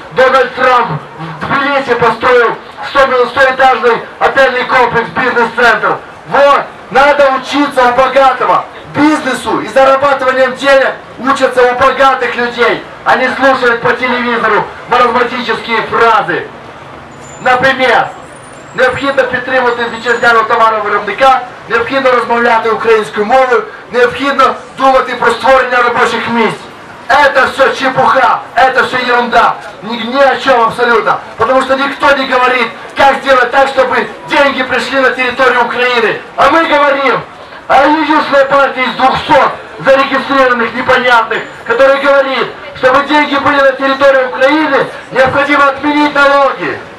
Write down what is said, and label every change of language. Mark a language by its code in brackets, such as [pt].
[ru] Дональд Трамп в Тбилиси построил 100-этажный отельный комплекс, бизнес-центр. Вот, надо учиться у богатого. Бизнесу и зарабатыванием денег учатся у богатых людей, а не слушают по телевизору маразматические фразы. [uk] Например, необходимо підтримувати вітчизняного товарного виробника, необхідно розмовляти українською мовою, необхідно думати про створення робочих місць. [ru] Это все чепуха, это все ерунда, ни о чем абсолютно. Потому что никто не говорит, как сделать так, чтобы деньги пришли на территорию Украины. А мы говорим, а единственная партия из 200 зарегистрированных непонятных, которая говорит, чтобы деньги были на территории Украины, необходимо отменить налоги.